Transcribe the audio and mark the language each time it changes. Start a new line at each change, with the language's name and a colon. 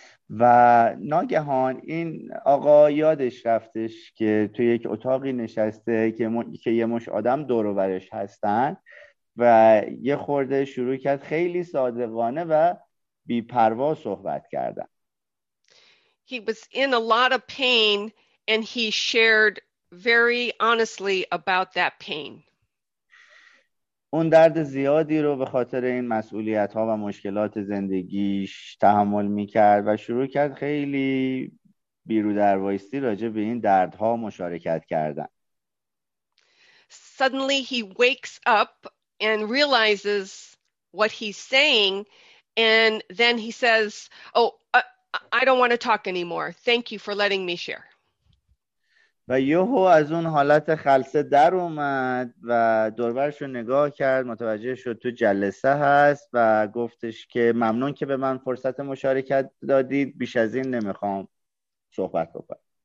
Persian: و ناگهان این آقا یادش رفتش که توی یک اتاقی نشسته که یه مش آدم دور و برش هستن و یه خورده شروع کرد خیلی صادقانه و بی پروا صحبت کردن.
English: He was in a lot of pain and he shared very honestly about that pain.
Persian: اون درد زیادی رو به خاطر این مسئولیت ها و مشکلات زندگیش تحمل می کرد و شروع کرد خیلی بیرو در وایستی راجع به این دردها مشارکت کردن.
English: Suddenly he wakes up and realizes what he's saying and then he says, oh, I don't want to talk anymore. Thank you for letting me share.
Persian: و یوهو از اون حالت خلسه در اومد و دوربرش رو نگاه کرد متوجه شد تو جلسه هست و گفتش که ممنون که به من فرصت مشارکت دادید بیش از این نمیخوام صحبت بکنم.